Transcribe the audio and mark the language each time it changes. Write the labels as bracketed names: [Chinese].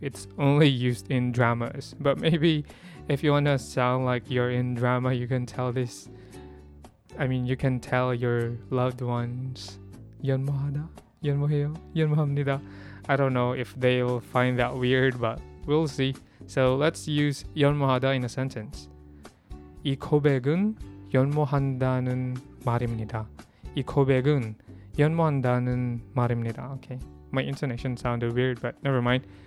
[English] It's only used in dramas. But maybe if you want to sound like you're in drama, you can tell this. I mean, you can tell your loved ones [Korean] 연모하다, 연모해요, 연모합니다. [English] I don't know if they'll find that weird, but we'll see. So let's use 연모하다 in a sentence. [Korean] 이 고백은 연모한다는 말입니다. 이 고백은 연모한다는 말입니다. [English] Okay, my intonation sounded weird, but never mind.